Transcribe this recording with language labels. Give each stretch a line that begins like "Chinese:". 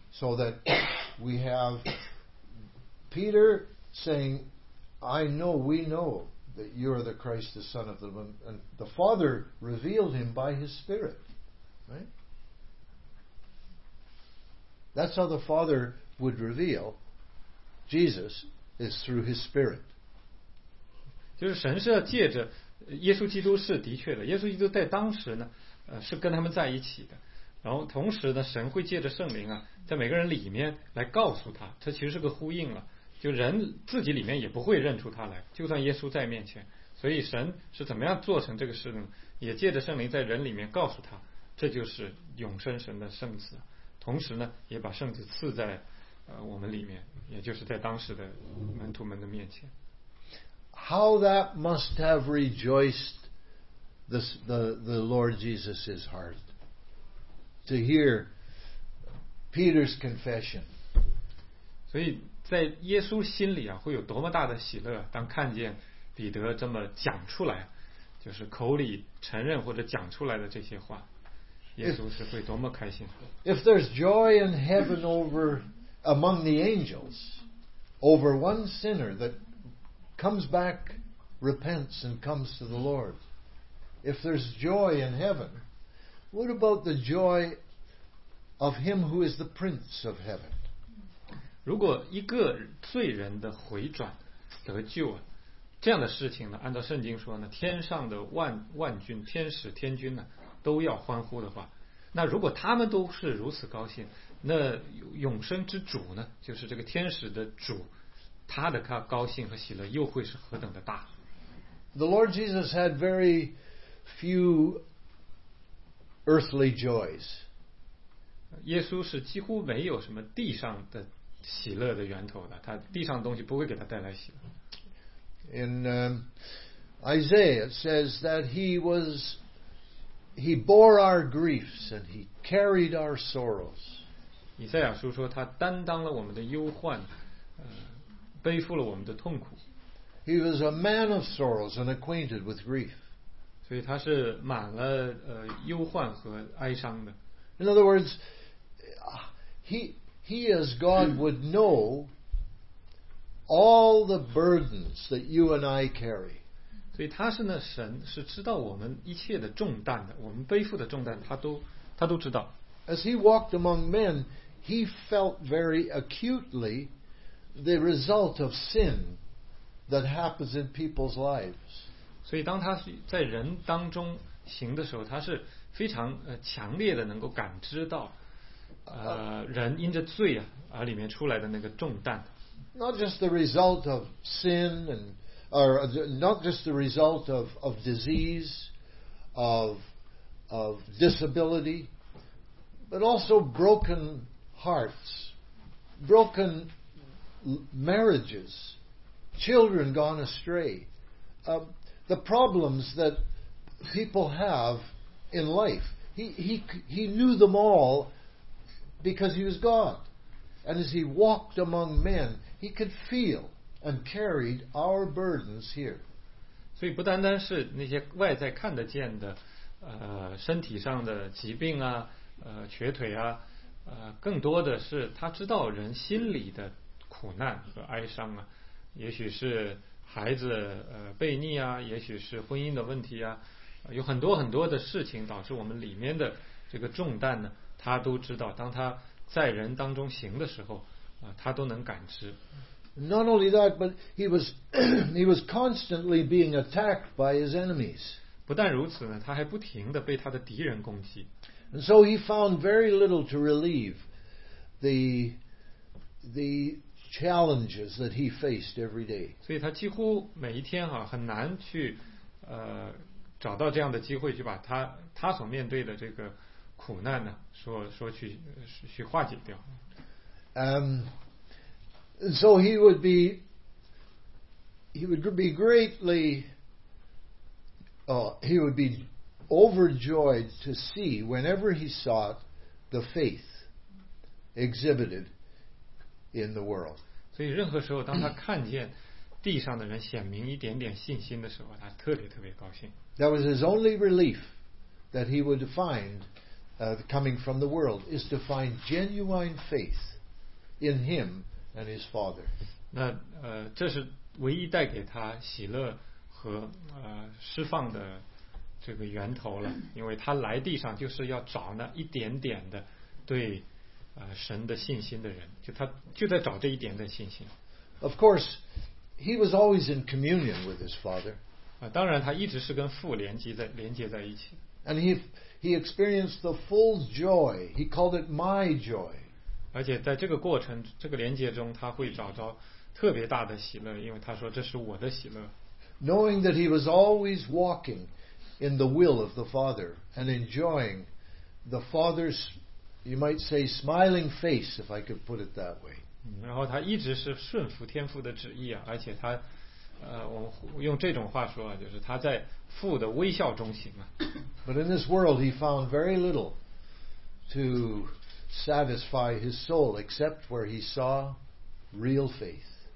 English: So that we have Peter saying, "I know, we know that you are the Christ, the Son of the Living," and the Father revealed him by His Spirit, right? That's how the Father would reveal Jesus, is through His Spirit.
Chinese: 就是神是要借着耶稣基督，是的确的，耶稣基督在当时呢，是跟他们在一起的。然后同时呢，神会借着圣灵啊，在每个人里面来告诉他，这其实是个呼应了。就人自己里面也不会认出他来，就算耶稣在面前。所以神是怎么样做成这个事呢？也借着圣灵在人里面告诉他，这就是永生神的圣子。同时呢，也把圣子赐在我们里面，也就是在当时的门徒们的面前。
English: How that must have rejoiced the Lord Jesus' heart to hear Peter's confession.
Chinese: 所以在耶稣心里啊，会有多么大的喜乐，当看见彼得这么讲出来，就是口里承认或者讲出来的这些话，耶稣是会多么开心。
English: If there's joy in heaven over among the angels over one sinner that comes back, repents, and comes to the Lord. If there's joy in heaven, what about the joy of him who is the Prince of heaven?
Chinese: 如果一个罪人的回转得救啊，这样的事情呢，按照圣经说呢，天上的万军、天使、天君呢，都要欢呼的话，那如果他们都是如此高兴，那永生之主呢，就是这个天使的主。他的高兴和喜乐又会是何等的大。
English: The Lord Jesus had very few earthly joys.
Chinese: 耶稣是几乎没有什么地上的喜乐的源头的，他地上的东西不会给他带来喜乐。
English: In Isaiah it says that he bore our griefs and he carried our sorrows.
Chinese: 以赛亚书说他担当了我们的忧患，背负了我们的痛苦。
English: He was a man of sorrows and acquainted with grief.
Chinese: 所以他是满了忧患和哀伤的。
English: In other words, he as God would know all the burdens that you and I carry.
Chinese: 所以他是那神，是知道我们一切的重担的，我们背负的重担他都知道。
English: As he walked among men, he felt very acutely the result of sin that happens in people's lives.
Chinese: 所以当他在人当中行的时候，他是非常强烈的能够感知到人因着罪啊而里面出来的那个重担。
English: Not just the result of sin and or not just the result of disease, of disability, but also broken hearts, broken marriages, children gone astray, the problems that people have in life. He knew them all because he was God. And as he walked among men, he could feel and carried our burdens here.
Chinese: 所以不单单是那些外在看得见的身体上的疾病啊瘸腿啊更多的是他知道人心里的苦难和哀伤啊，也许是孩子悖逆啊，也许是婚姻的问题啊，有很多很多的事情导致我们里面的这个重担呢，他都知道。当他在人当中行的时候，他都能感知。
English: Not only that, but he was constantly being attacked by his enemies.
Chinese: 不但如此呢，他还不停地被他的敌人攻击。
English: And so he found very little to relieve the challenges that he faced every day.
Chinese: 所以他几乎每一天啊，很难去找到这样的机会去把他所面对的这个苦难呢，说去化解掉。
English: So he would be greatly he would be overjoyed to see whenever he saw the faith exhibited in the world.
Chinese: 所以任何时候当他看见地上的人显明一点点信心的时候，他特别特别高兴。
English: That was his only relief that he would find、coming from the world is to find genuine faith in him and his father.
Chinese: 那这是唯一带给他喜乐和释放的这个源头了，因为他来地上就是要找那一点点的对神的信心的人，就他就在找这一点的信心。
English: Of course, he was always in communion with his father.
Chinese: 当然他一直是跟父连接在一起。
English: And he experienced the full joy. He called it my joy.
Chinese: 而且在这个过程这个连接中，他会找到特别大的喜乐，因为他说这是我的喜乐。
English: Knowing that he was always walking in the will of the Father and enjoying the Father's, you might say, smiling face, if I could put it that way.
Chinese: 然后他一直是顺服天父的旨意啊，而且他，我用这种话说啊，就是他在父的微笑中行啊。
English: But in this world, he found very little to satisfy his soul, except where he saw real faith.